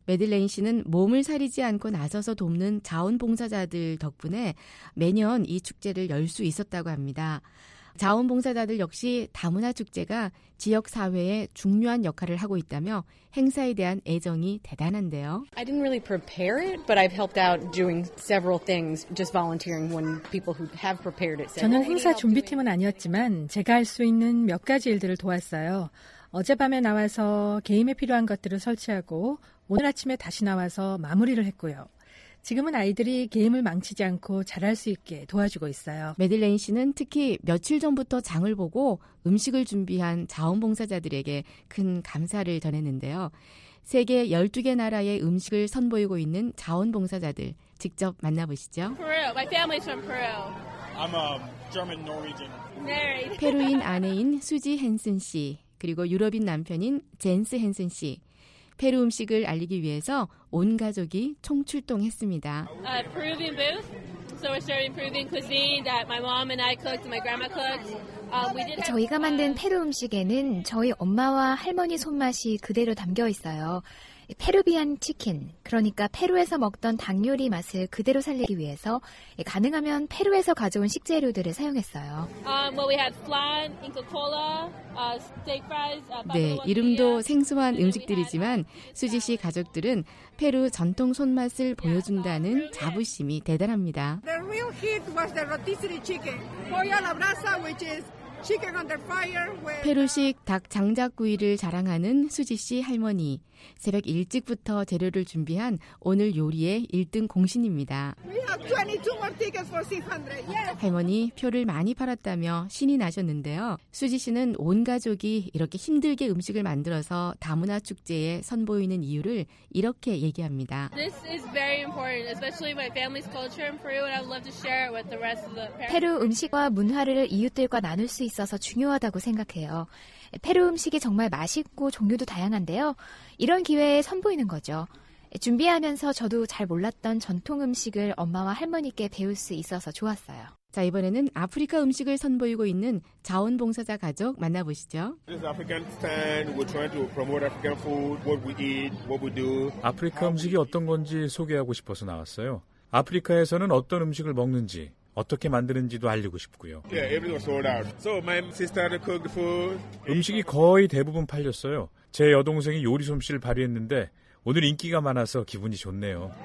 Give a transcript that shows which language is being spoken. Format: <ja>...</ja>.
<ko>메들레인 씨는 몸을 사리지 않고 나서서 돕는 자원봉사자들 덕분에 매년 이 축제를 열 수 있었다고 합니다. 자원봉사자들 역시 다문화 축제가 지역 사회에 중요한 역할을 하고 있다며 행사에 대한 애정이 대단한데요.</ko> <en>I didn't really prepare it, but I've helped out doing several things, just volunteering when people who have prepared it.</en> <ko>저는 행사 준비팀은 아니었지만 제가 할 수 있는 몇 가지 일들을 도왔어요. 어젯밤에 나와서 게임에 필요한 것들을 설치하고 오늘 아침에 다시 나와서 마무리를 했고요. 지금은 아이들이 게임을 망치지 않고 잘할 수 있게 도와주고 있어요. 메들레인 씨는 특히 며칠 전부터 장을 보고 음식을 준비한 자원봉사자들에게 큰 감사를 전했는데요. 세계 12개 나라의 음식을 선보이고 있는 자원봉사자들 직접 만나보시죠.</ko> <en>Peru. My family's from Peru. I'm a German Norwegian.</en> <ko>페루인 아내인 수지 헨슨 씨, 그리고 유럽인 남편인 젠스 헨슨 씨. 페루 음식을 알리기 위해서 온 가족이 총출동했습니다.</ko> <en>Peruvian booth. So we're serving Peruvian cuisine that my mom and I cooked and my grandma cooked.</en> <ko>저희가 만든 페루 음식에는 저희 엄마와 할머니 손맛이 그대로 담겨 있어요. 페루비안 치킨, 그러니까 페루에서 먹던 닭 요리 맛을 그대로 살리기 위해서 가능하면 페루에서 가져온 식재료들을 사용했어요.</ko> <en>Well, we had flan, Inca Kola, steak fries,</en> <ko>네, 이름도 생소한 음식들이지만 수지 씨 가족들은 페루 전통 손맛을 보여준다는 자부심이 대단합니다.</ko> <en>The real hit was the rotisserie chicken. Pollo a la brasa, which is chicken under fire.</en> <ko>페루식 닭 장작구이를 자랑하는 수지 씨 할머니. 새벽 일찍부터 재료를 준비한 오늘 요리의 1등 공신입니다. 할머니 표를 많이 팔았다며 신이 나셨는데요. 수지 씨는 온 가족이 이렇게 힘들게 음식을 만들어서 다문화 축제에 선보이는 이유를 이렇게 얘기합니다.</ko> <en>This is very important, especially my family's culture in Peru, and I'd love to share it with the rest of the parents.</en> <ko>페루 음식과 문화를 이웃들과 나눌 수 있어서 중요하다고 생각해요. 페루 음식이 정말 맛있고 종류도 다양한데요. 이런 기회에 선보이는 거죠. 준비하면서 저도 잘 몰랐던 전통 음식을 엄마와 할머니께 배울 수 있어서 좋았어요. 자, 이번에는 아프리카 음식을 선보이고 있는 자원봉사자 가족 만나보시죠.</ko> <en>This is Afghanistan. We're trying to promote African food, what we eat, what we do.</en> <ko>아프리카 음식이 어떤 건지 소개하고 싶어서 나왔어요. 아프리카에서는 어떤 음식을 먹는지 어떻게 만드는지도 알리고 싶고요.</ko> <en>Yeah, everything was sold out. So my sister cooked food.</en> <ko>음식이 거의 대부분 팔렸어요. 제 여동생이 요리 솜씨를 발휘했는데 오늘 인기가 많아서 기분이 좋네요.</ko>